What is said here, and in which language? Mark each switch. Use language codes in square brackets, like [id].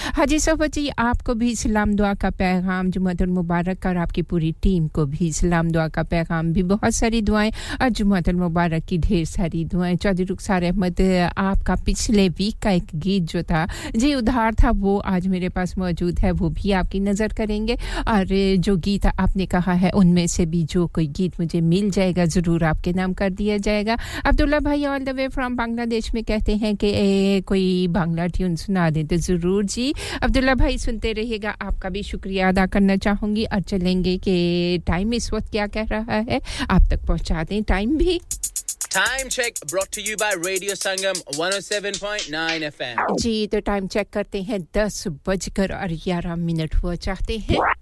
[hi] हाजी सफर जी आपको भी सलाम दुआ का पैगाम जुमातुल मुबारक और आपकी पूरी टीम को भी सलाम दुआ का पैगाम भी बहुत सारी दुआएं और जुमातुल मुबारक की ढेर सारी दुआएं चौधरी रुखसार अहमद आपका पिछले वीक का एक गीत जो था जी उधार था वो आज मेरे पास मौजूद है वो भी आपकी नजर करेंगे और जो गीत आपने कहा है उनमें से भी जो कोई गीत मुझे मिल जाएगा जरूर आपके नाम कर दिया जाएगा अब्दुल्ला भाई [en] all the way from [hi] Bangladesh में कहते हैं कि कोई बांग्ला ट्यून सुना दें तो जरूर जी अब्दुल्ला भाई सुनते रहिएगा आपका भी शुक्रिया अदा करना चाहूंगी और चलेंगे कि टाइम इस वक्त क्या कह रहा है आप तक पहुंचा दें टाइम भी [en] Time check brought to you by Radio Sangam 107.9 FM. [hi] जी तो time check करते हैं 10 बजकर और 11 मिनट हुआ चाहते हैं